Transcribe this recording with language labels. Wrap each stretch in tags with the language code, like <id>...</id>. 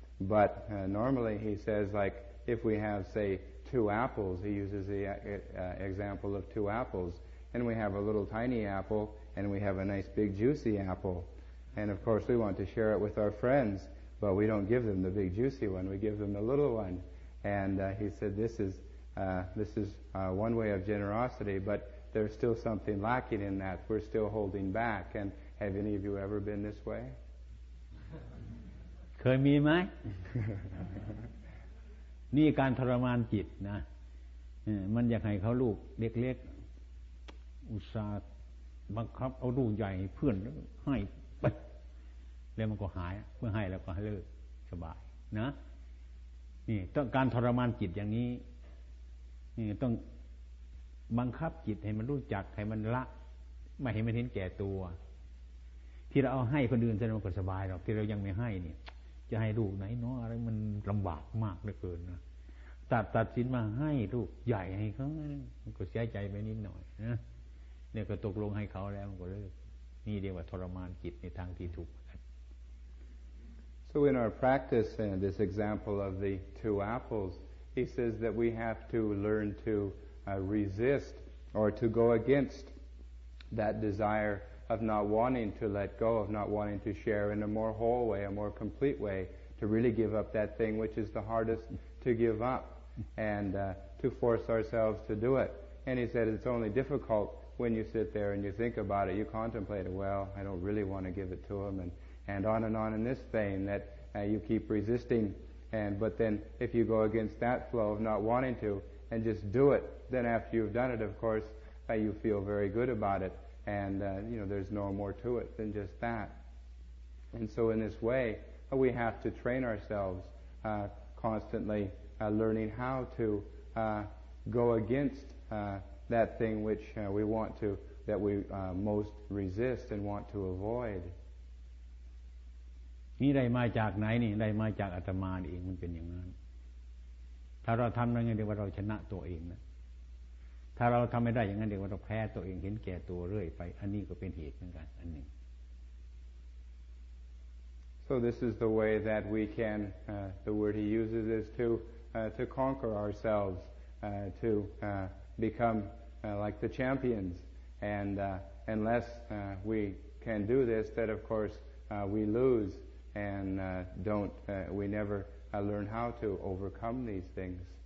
<en>But normally, he says, like if we have, say, two apples, he uses the example of two apples, and we have a little tiny apple and we have a nice big juicy apple, and of course we want to share it with our friends, but we don't give them the big juicy one, we give them the little one. And he said, this is one way of generosity, but there's still something lacking in that. We're still holding back. And have any of you ever been this way?</en> <th>เคยมีไหมนี่การทรมานจิตนะมันอยากให้เขาลูกเล็กๆอุตส่าห์บังคับเอาลูกใหญ่เพื่อนให้ปั๊บแล้วมันก็หายเพื่อให้แล้วก็เลิกสบายนะนี่ต้องการทรมานจิตอย่างนี้นี่ต้องบังคับจิตให้มันรู้จักให้มันละไม่ให้มันเห็นแก่ตัว ที่เราเอาให้คนอื่นแสดงว่าก็สบายหรอกที่เรายังไม่ให้เนี่ยจะให้ลูกไหนเนาะอะไรมันลำบากมากเหลือเกินนะตัดสินมาให้ลูกใหญ่ให้เขาก็เสียใจไปนิดหน่อยนะเนี่ยก็ตกลงให้เขาแล้วมันก็เลิกนี่เรียกว่าทรมานจิตในทางที่ถูก</th> <en>So in our practice and this example of the two applesHe says that we have to learn to resist or to go against that desire of not wanting to let go, of not wanting to share in a more whole way, a more complete way, to really give up that thing which is the hardest to give up, and to force ourselves to do it. And he said it's only difficult when you sit there and you think about it, you contemplate it, well, I don't really want to give it to him, and on in this thing that you keep resisting. But then if you go against that flow of not wanting to and just do it, then after you've done it, of course, you feel very good about it. And, you know, there's no more to it than just that. And so in this way, we have to train ourselves constantly learning how to go against that thing which we want to, that we most resist and want to avoid.</en> <th>นี่ได้มาจากไหนนี่ได้มาจากอาตมาเองมันเป็นอย่างนั้นถ้าเราทำได้ไงเดี๋ยวเราชนะตัวเองนะถ้าเราทำไม่ได้อย่างนั้นเดี๋ยวเราแพ้ตัวเองเห็นแก่ตัวเรื่อยไปอันนี้ก็เป็นเหตุเหมือนกันอันหนึ่ง</th> <en>So this is the way that we can the word he uses is to conquer ourselves to become like the champions and unless we can do this that of course we loseAnd we never learn how to overcome these things.</en>